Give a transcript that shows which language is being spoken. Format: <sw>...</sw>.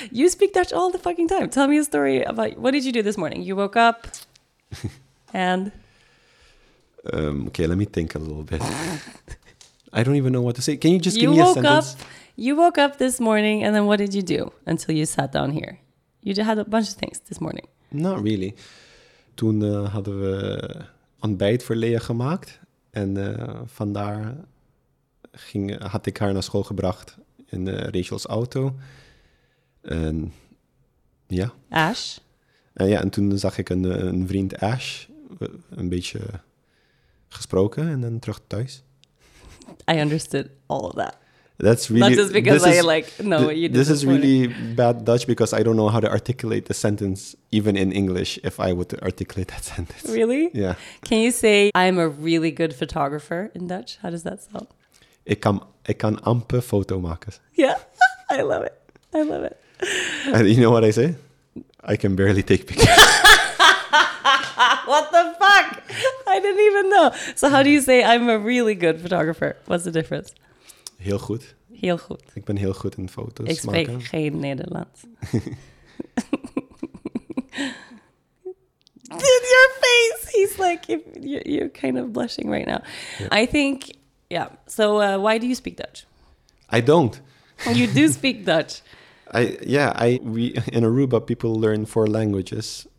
<en>You speak Dutch all the fucking time. Tell me a story about... What did you do this morning? You woke up and... Okay, let me think a little bit. I don't even know what to say. Can you just give me a sentence? You woke up this morning, and then what did you do until you sat down here? You had a bunch of things this morning. Not really.</en> <nl>Toen hadden we ontbijt voor Lea gemaakt. En vandaar had ik haar naar school gebracht in Rachel's auto. En ja. Ash? En ja, en toen zag ik een vriend Ash een beetje gesproken en dan terug thuis.</nl> <en>I understood all of that. That's really... Not just because I know what you did. This is really bad Dutch because I don't know how to articulate the sentence even in English if I would articulate that sentence. Really? Yeah. Can you say, I'm a really good photographer in Dutch? How does that sound?</en> <nl>Ik kan amper foto maken.</nl> <en>Yeah. I love it. I love it. And you know what I say? I can barely take pictures. What the fuck? I didn't even know. So how do you say, I'm a really good photographer? What's the difference?</en> <nl>Heel goed. Heel goed. Ik ben heel goed in foto's maken. Ik spreek geen Nederlands.</nl> <en>Dude, your face. He's like, you're kind of blushing right now. Yeah. I think, yeah. So why do you speak Dutch? I don't. You do speak Dutch. We in Aruba, people learn four languages.</en>